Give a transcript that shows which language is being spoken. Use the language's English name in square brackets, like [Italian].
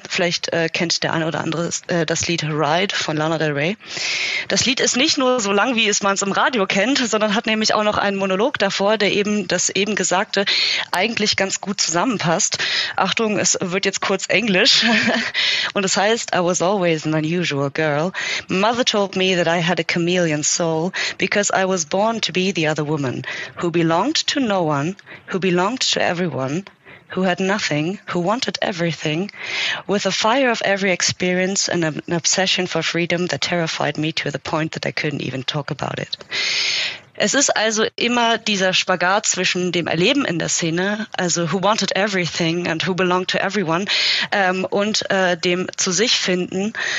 [German] Vielleicht kennt der eine oder andere das Lied Ride von Lana Del Rey. Das Lied ist nicht nur so lang, wie es man es im Radio kennt, sondern hat nämlich auch noch einen Monolog davor, der eben das eben Gesagte eigentlich ganz gut zusammenpasst. Achtung, es wird jetzt kurz Englisch. Und es heißt, [English] I was always an unusual girl. Mother told me that I had a chameleon soul because I was born to be the other woman. Who belonged to no one, who belonged to everyone, who had nothing, who wanted everything, with a fire of every experience and an obsession for freedom that terrified me to the point that I couldn't even talk about it. [German] Es ist also immer dieser Spagat zwischen dem Erleben in der Szene, also [English] who wanted everything and who belonged to everyone, [German] und dem zu sich finden.